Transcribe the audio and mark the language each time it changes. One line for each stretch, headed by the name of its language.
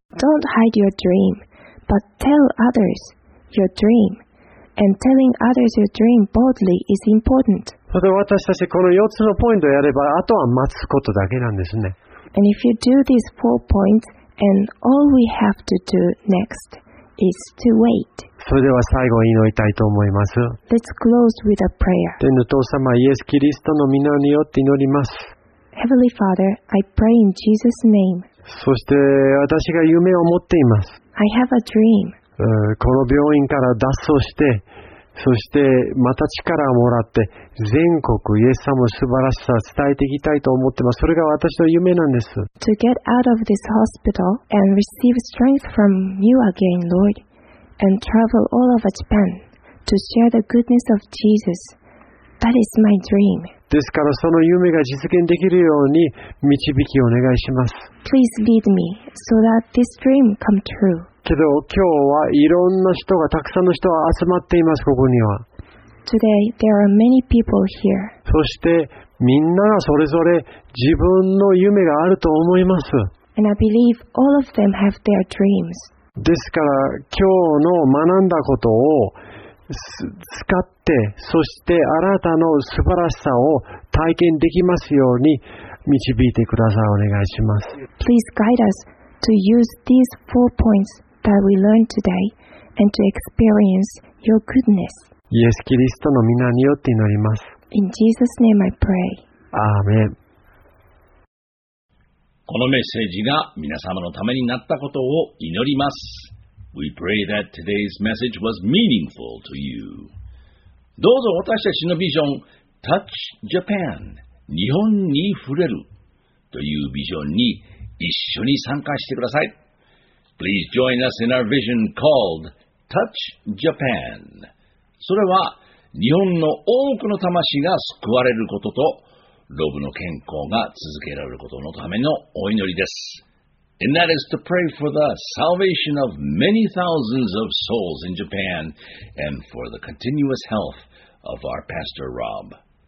English: Don't hide your dream, but tell others your dream. And telling others your dream boldly is important.
Japanese: それで私たちこの4つのポイントをやれば、あとは待つことだけなんですね。
English: And if you do these four points, and all we have to do next is to wait.
Japanese: それでは最後に祈りたいと思います。
English: Let's close with a prayer.
Japanese: 天の父様、イエス・キリストの御名によって祈ります。
English: Heavenly Father, I pray in Jesus' name.
Japanese: そして私が夢を持っています。
English: I have a dream.
Japanese: この病院から脱走して、そしてまた力をもらって、全国イエス様の素晴らしさを伝えていきたいと思っています。それが私の夢なんです。
English: To get out of this hospital and receive strength from you again, Lord. And travel all over Japan to share the goodness of Jesus. That is my dream.
Japanese: ですからその夢が実現できるように導きをお願いします。
English: Please lead me so that this dream come true.
Japanese: けど今日はいろんな人がたくさんの人が集まっていますここには。
English: Today there are many people here.
Japanese: そしてみんながそれぞれ自分の夢があると思います。
English: And I believe all of them have their dreams.
Japanese: ですから今日の学んだことを使ってそしてあなたの素晴らしさを体験できますように導いてくださいお願いします。
English: Please guide us to use these four points that we learned today and to experience your goodness.
Japanese: イエス・キリストの名によって祈ります。
English: In Jesus' name I pray.
Japanese: アーメン。このメッセージが皆様のためになったことを祈ります。
English: We pray that today's message was meaningful to you.
Japanese: どうぞ私たちのビジョン、Touch Japan、日本に触れるというビジョンに一緒に参加してください。
English: Please join us in our vision called Touch Japan。
Japanese: それは日本の多くの魂が救われることと、ロブの健康が続けられることのためのお祈りです。
English: And that is to pray for the salvation of many thousands of souls in Japan and for the continuous health of our Pastor Rob.